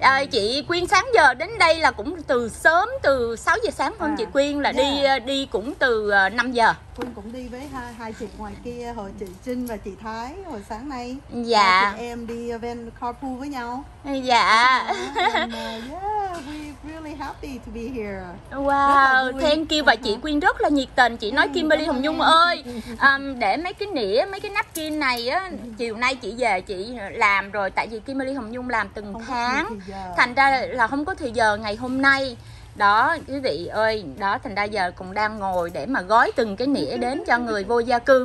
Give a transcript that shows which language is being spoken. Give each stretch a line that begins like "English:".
Vietnamese: Chị Quyên sáng giờ đến đây là cũng từ sớm, từ 6 giờ sáng không chị Quyên, là đi cũng từ 5 giờ. Quyên cũng đi với hai chị ngoài kia, hồi chị Trinh và chị Thái hồi sáng nay. Dạ. Chị em đi van carpool với nhau. Dạ.
English: We're really happy to be here. Wow, thank you.
Vietnamese: Và chị Quyên rất là nhiệt tình. Chị nói Kimberly Hồng Nhung ơi, để mấy cái nĩa, mấy cái napkin này á, chiều nay chị về chị làm rồi. Tại vì Kimberly Hồng Nhung làm từng tháng, thành ra là không có thời giờ ngày hôm nay. Đó quý vị ơi, đó thành ra giờ cũng đang ngồi để mà gói từng cái nĩa đến cho người vô gia cư.